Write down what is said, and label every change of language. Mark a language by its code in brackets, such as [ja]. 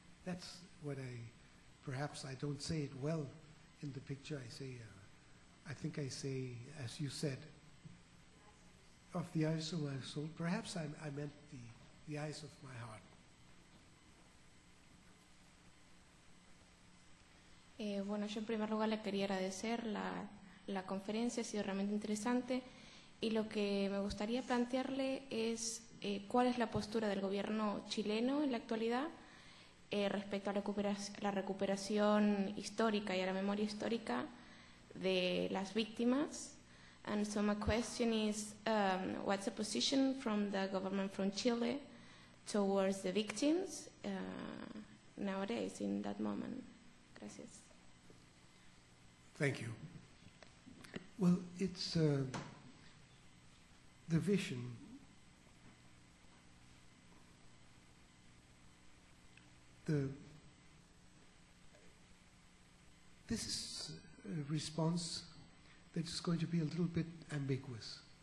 [en] That's what perhaps I don't say it well in the picture. I say, I think I say, as you said, of the eyes of my soul. Perhaps I meant the eyes of my heart. [es] Bueno, yo en primer lugar le quería agradecer la conferencia, ha sido realmente interesante. Y lo que me gustaría plantearle es cuál es la postura del gobierno chileno en la actualidad respecto a la recuperación histórica y a la memoria histórica de las víctimas. [en] And so my question is, what's the position from the government from Chile towards the victims nowadays in that moment? [es] Gracias. [en] Thank you. Well, it's the vision this is a response that is going to be a little bit ambiguous.